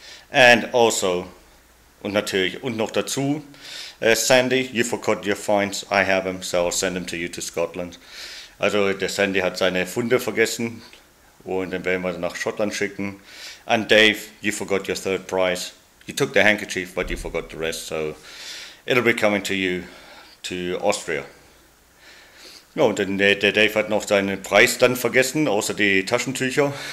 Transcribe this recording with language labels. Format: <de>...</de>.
<en>And also,</en> <de>und natürlich, und noch dazu,</de> <en>Sandy, you forgot your finds, I have them, so I'll send them to you to Scotland.</en> <de>Also der Sandy hat seine Funde vergessen und dann werden wir sie nach Schottland schicken.</de> <en>And Dave, you forgot your third prize. You took the handkerchief, but you forgot the rest, so it'll be coming to you to Austria.</en> <de>Ja, und dann der Dave hat noch seinen Preis dann vergessen, außer die Taschentücher.</de>